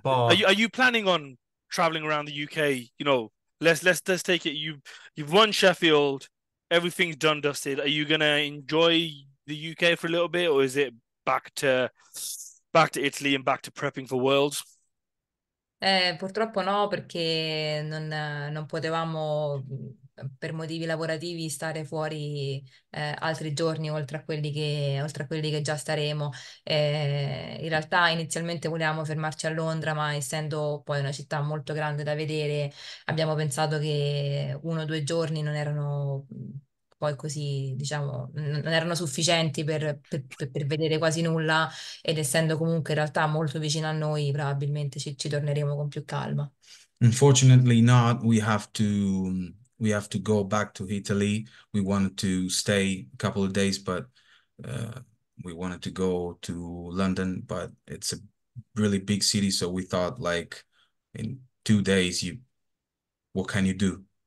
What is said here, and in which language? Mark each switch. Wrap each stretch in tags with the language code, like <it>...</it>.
<en>Are Bath. you planning on traveling around the UK? You know, let's take it. You've won Sheffield. Everything's done, dusted. Are you gonna enjoy the UK for a little bit, or is it back to Italy and back to prepping for Worlds?</en> <it>Purtroppo no, perché non potevamo per motivi lavorativi stare fuori altri giorni oltre a quelli che già staremo. In realtà inizialmente volevamo fermarci a Londra, ma essendo poi una città molto grande da vedere, abbiamo pensato che 1 o 2 giorni non erano poi così, diciamo, non erano sufficienti per vedere quasi nulla, ed essendo comunque in realtà molto vicino a noi, probabilmente ci torneremo con più calma.</it> <en>Unfortunately not. We have to go back to Italy. We wanted to stay a couple of days, but we wanted to go to London, but it's a really big city, so we thought like in 2 days what can you do?</en>